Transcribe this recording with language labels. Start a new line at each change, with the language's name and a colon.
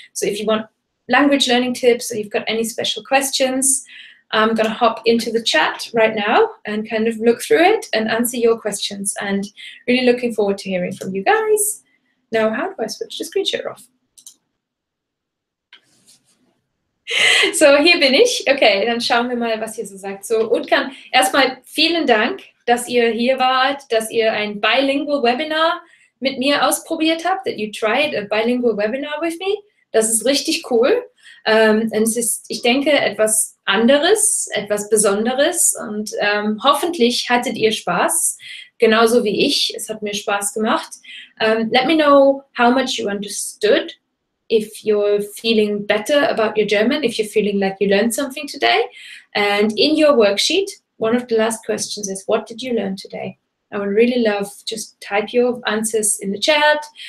English: So if you want language learning tips, or you've got any special questions, I'm going to hop into the chat right now and kind of look through it and answer your questions. And really looking forward to hearing from you guys. Now, how do I switch the screen share off?
German: So hier bin ich. Okay, dann schauen wir mal, was ihr so sagt. So, Utkan, erstmal vielen Dank, dass ihr hier wart, dass ihr ein Bilingual Webinar mit mir ausprobiert habt,
English: that you tried a Bilingual Webinar with me.
German: Das ist richtig cool. Und es ist, ich denke, etwas anderes, etwas Besonderes. Und hoffentlich hattet ihr Spaß, genauso wie ich. Es hat mir Spaß gemacht.
English: Let me know how much you understood. If you're feeling better about your German, if you're feeling like you learned something today. And in your worksheet, one of the last questions is, what did you learn today? I would really love, just type your answers in the chat.